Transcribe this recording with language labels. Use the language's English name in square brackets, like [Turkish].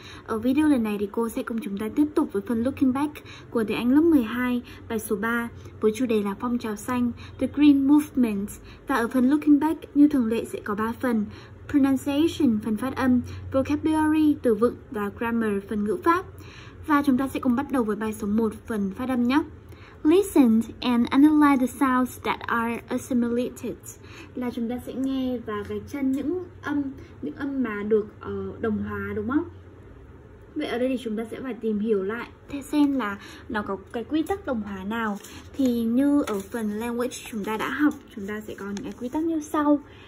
[Vietnamese] Ở video lần này thì cô sẽ cùng chúng ta tiếp tục với phần Looking Back của tiếng Anh lớp 12, bài số 3 với chủ đề là phong trào xanh, [English] The Green Movement. [Vietnamese] Và ở phần Looking Back như thường lệ sẽ có 3 phần: Pronunciation, phần phát âm, Vocabulary, từ vựng và Grammar, phần ngữ pháp. Và chúng ta sẽ cùng bắt đầu với bài số 1, phần phát âm nhé. [English] Listen and analyze the sounds that are assimilated. [Vietnamese] Là chúng ta sẽ nghe và gạch chân những âm mà được đồng hóa, đúng không? Vậy ở đây thì chúng ta sẽ phải tìm hiểu lại thế xem là nó có cái quy tắc đồng hóa nào. Thì như ở phần language chúng ta đã học, chúng ta sẽ có những cái quy tắc như sau.